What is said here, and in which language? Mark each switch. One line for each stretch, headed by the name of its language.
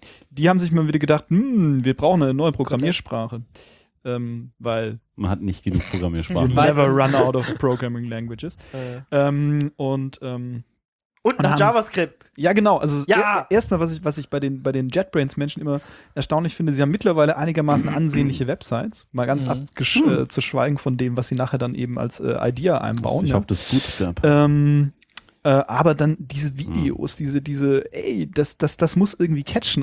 German: Die haben sich mal wieder gedacht, wir brauchen eine neue Programmiersprache. Weil man hat nicht genug Programmiersprachen.
English: You never run out of programming languages.
German: Und nach JavaScript. Ja, genau. Also ja. Erstmal, was ich bei den JetBrains-Menschen immer erstaunlich finde, sie haben mittlerweile einigermaßen ansehnliche Websites. Mal ganz zu schweigen von dem, was sie nachher dann eben als Idea einbauen. Ich hoffe, das ist gut. Aber dann diese Videos, diese ey, das muss irgendwie catchen.